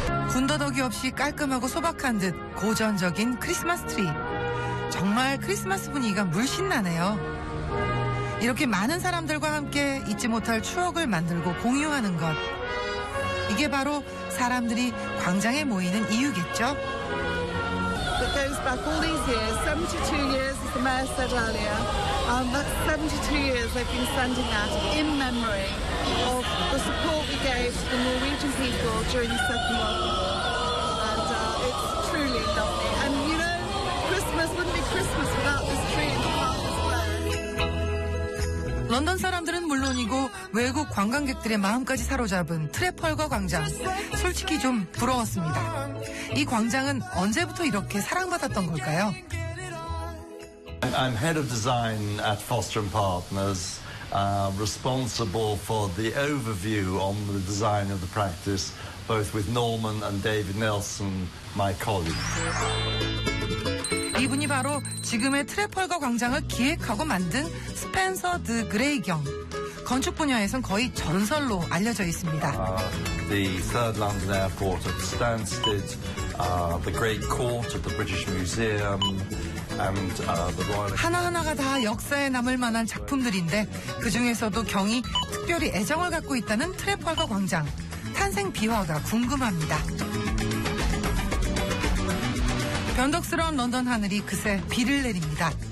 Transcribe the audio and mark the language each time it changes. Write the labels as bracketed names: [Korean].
[Korean] 군더더기 없이 깔끔하고 소박한 듯 고전적인 크리스마스 트리. 정말 크리스마스 분위기가 물씬 나네요. 이렇게 많은 사람들과 함께 잊지 못할 추억을 만들고 공유하는 것. 이게 바로 사람들이 광장에 모이는 이유겠죠? [English] It goes back all these years, 72 years, as the mayor said earlier. That's 72 years they've been sending out in memory of the support we gave to the Norwegian people during the Second World War. And it's truly lovely. And you know, Christmas wouldn't be Christmas without this tree in the park as well. [Korean] 런던 사람들은 물론이고 외국 관광객들의 마음까지 사로잡은 트래펄거 광장. 솔직히 좀 부러웠습니다. 이 광장은 언제부터 이렇게 사랑받았던 걸까요? [English] I'm head of design at Foster and Partners, responsible for the overview on the design of the practice, both with Norman and David Nelson, my colleagues. [Korean] 이분이 바로 지금의 트래펄거 광장을 기획하고 만든 스펜서 드 그레이 경. 건축 분야에선 거의 전설로 알려져 있습니다. [English] The Third London Airport at Stansted, the Great Court at the British Museum, and the Royal. [Korean] 하나하나가 다 역사에 남을 만한 작품들인데 그 중에서도 경이 특별히 애정을 갖고 있다는 트래펄거 광장 탄생 비화가 궁금합니다. 변덕스러운 런던 하늘이 그새 비를 내립니다.